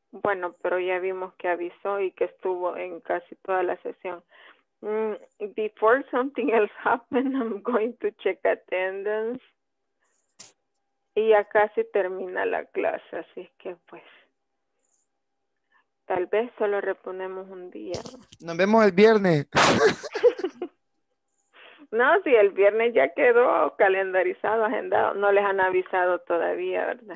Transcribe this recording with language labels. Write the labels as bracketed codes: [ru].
[es] Bueno, pero ya vimos que avisó y que estuvo en casi toda la sesión. [en] Before something else happened, I'm going to check attendance. [es] Y ya casi termina la clase, así que pues. Tal vez solo reponemos un día. Nos vemos el viernes. No, sí, el viernes ya quedó calendarizado, agendado. No les han avisado todavía, ¿verdad?